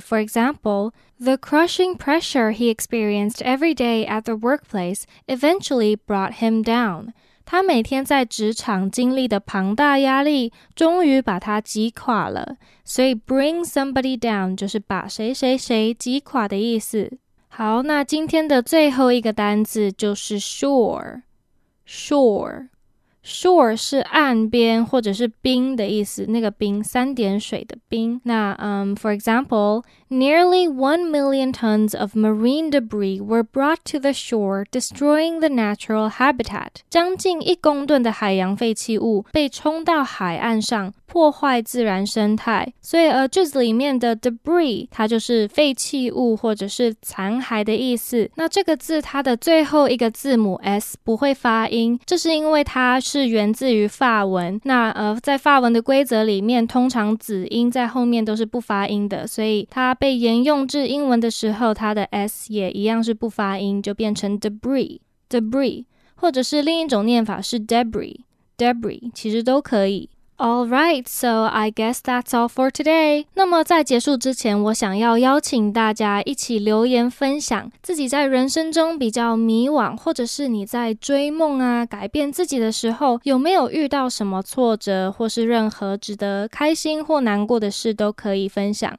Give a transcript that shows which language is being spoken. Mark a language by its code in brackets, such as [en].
[en] For example, the crushing pressure he experienced every day at the workplace eventually brought him down. [zh] 他每天在职场经历的庞大压力终于把他击垮了。所以 bring somebody down 就是把谁谁谁击垮的意思。好，那今天的最后一个单字就是 shore。shore。 Shore 是岸边或者是冰的意思，那个冰，三点水的冰。 [en] 那for example, nearly 1 million tons of marine debris were brought to the shore, destroying the natural habitat. [zh] 将近1公吨的海洋废弃物被冲到海岸上，破坏自然生态。所以句子里面的 debris 它就是废弃物或者是残骸的意思。那这个字它的最后一个字母 s 不会发音，这是因为它是源自于法文。那在法文的规则里面，通常子音在后面都是不发音的，所以它被沿用至英文的时候，它的 s 也一样是不发音，就变成 debris， 或者是另一种念法是 debris， 其实都可以。 [en] All right, so I guess that's all for today. [zh] 那么在结束之前，我想要邀请大家一起留言分享自己在人生中比较迷惘，或者是你在追梦啊，改变自己的时候，有没有遇到什么挫折，或是任何值得开心或难过的事都可以分享。